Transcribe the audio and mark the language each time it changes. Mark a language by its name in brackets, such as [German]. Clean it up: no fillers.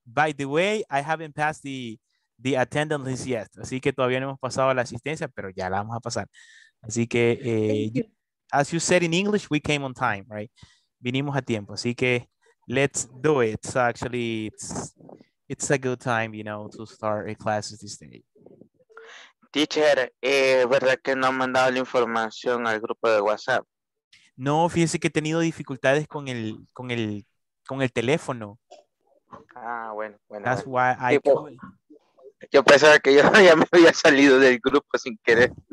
[English] By the way, I haven't passed the attendance list yet. [Spanish] Así que todavía no hemos pasado la asistencia, pero ya la vamos a pasar. Así que, [English] as you said in English, we came on time, right? [Spanish] Vinimos a tiempo. Así que, [English] let's do it. So actually, it's a good time, you know, to start a class this day. [Spanish] Teacher, ¿verdad que no ha mandado la información al grupo de WhatsApp? No, fíjese que he tenido dificultades con el teléfono. Ah, bueno. [English] That's why I called. [Spanish] Yo pensaba que yo ya me había salido del grupo sin querer.